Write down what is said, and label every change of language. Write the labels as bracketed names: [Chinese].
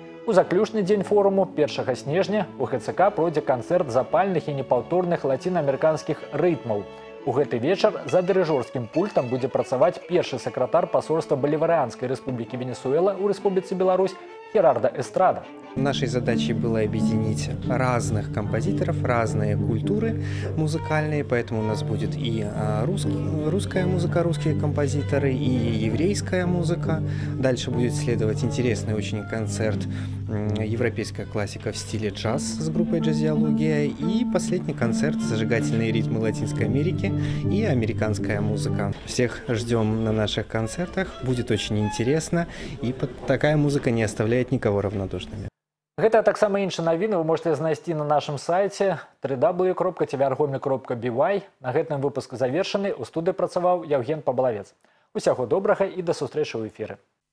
[Belarusian] У заключны дзень форуму 1 снежня у ХЦК пройдзе канцэрт запальных і непаўторных лацінаамерыканскіх рытмаў. У гэты вечар за дырыжорскім пультам будзе працаваць першы сакратар пасольства Балеварыянскай рэспублікі Венесуэла ў Рэспубліцы Беларусь Герарда Эстрада. [Russian] Нашей задачей было объединить разных композиторов, разные культуры музыкальные, поэтому у нас будет и русская музыка, русские композиторы, и еврейская музыка. Дальше будет следовать интересный очень концерт «Европейская классика в стиле джаз» с группой «Джазиология», и последний концерт «Зажигательные ритмы Латинской Америки» и «Американская музыка». Всех ждем на наших концертах, будет очень интересно, и такая музыка не оставляет никого равнодушными. [Belarusian] Гэта таксама іншыя навіны вы можаце знайсці на нашым сайце www.tvrgomel.by. На гэтым выпуск завершаны. У студыі працаваў Яўген Пабалавец. Усяго добрага і да сустрэчы ў эфіры.